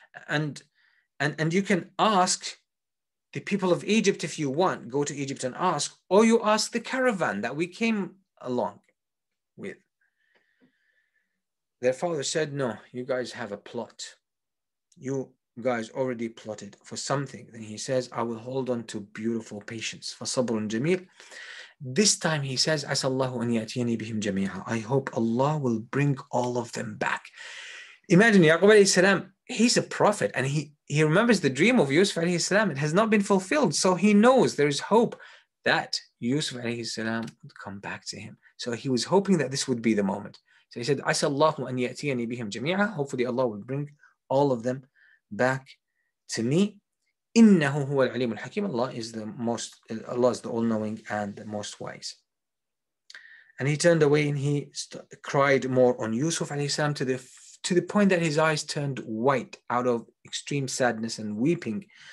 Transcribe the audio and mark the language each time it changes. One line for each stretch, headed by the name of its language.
English: And you can ask the people of Egypt if you want, go to Egypt and ask, or you ask the caravan that we came along with. Their father said, no, you guys have a plot. You guys already plotted for something. Then he says, I will hold on to beautiful patience.
Arabic: فصبر جميل.
English: This time he says,
Arabic: أسأل الله أن يأتيني بهم جميعا.
English: I hope Allah will bring all of them back. Imagine Yaqub alayhi salam, he's a prophet and he remembers the dream of Yusuf alayhi salam. It has not been fulfilled. So he knows there is hope that Yusuf alayhi salam would come back to him. So he was hoping that this would be the moment. So he said,
Arabic: أسأل الله أن يأتيني بهم جميعا.
English: Hopefully Allah will bring all of them back to me.
Arabic: Innahu huwa al-alim al-hakim.
English: Allah is the all-knowing and the most wise. And he turned away and he cried more on Yusuf alayhi salam to the point that his eyes turned white out of extreme sadness and weeping.